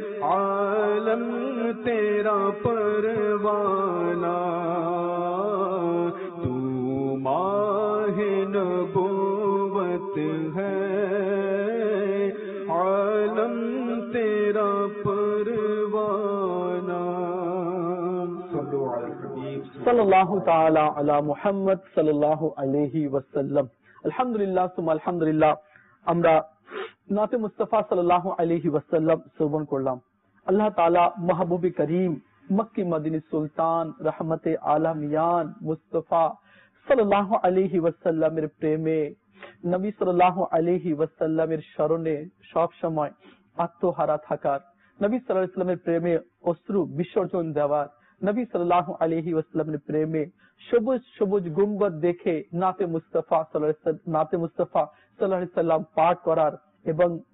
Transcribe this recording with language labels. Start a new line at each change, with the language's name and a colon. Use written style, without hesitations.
Urdu: عالم تیرا پروانہ تو ماہ نبوت ہے عالم تیرا پروانہ
Arabic: صلی اللہ تعالی علی محمد صلی اللہ علیہ وسلم الحمدللہ ثم الحمدللہ امرا
Bangla: নাতে মুস্তাফা সাল্লাল্লাহু আলাইহি ওয়াসাল্লাম শ্রবণ করলাম। আল্লাহ তাআলা মাহবুবে করিম মক্কি মদিনী সুলতান রহমতে আলামিয়ান মুস্তাফা সাল্লাল্লাহু আলাইহি ওয়াসাল্লামের প্রেমে নবী সাল্লাল্লাহু আলাইহি ওয়াসাল্লামের শরণে সব সময় আত্মহারা থাকার, নবী সাল্লাল্লাহু আলাইহি ওয়াসাল্লামের প্রেমে অশ্রু বিসর্জন দেওয়ার, নবী সাল্লাল্লাহু আলাইহি ওয়াসাল্লামের প্রেমে সবুজ সবুজ গুম্বদ দেখে নাতে মুস্তাফা সাল্লাল্লাহু আলাইহি ওয়াসাল্লাম পাঠ করার এবং